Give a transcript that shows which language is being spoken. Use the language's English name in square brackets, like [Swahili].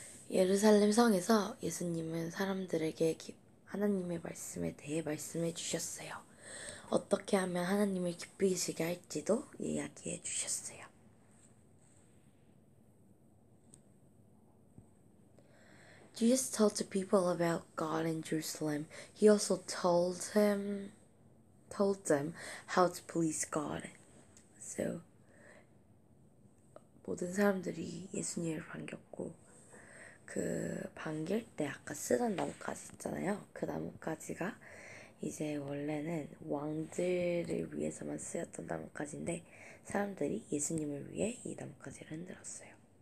[Korean] 예루살렘 성에서 예수님은 사람들에게 하나님의 말씀에 대해 말씀해 주셨어요. 어떻게 하면 하나님을 기쁘시게 할지도 이야기해 주셨어요. [English] Jesus told the people about God in Jerusalem. He also told them how to please God. [Korean] So, 모든 사람들이 예수님을 반겼고, 그 반길 때 아까 쓰던 나뭇가지 있잖아요. 그 나뭇가지가 이제 원래는 왕들을 위해서만 쓰였던 나뭇가지인데, 사람들이 예수님을 위해 이 나뭇가지를 흔들었어요.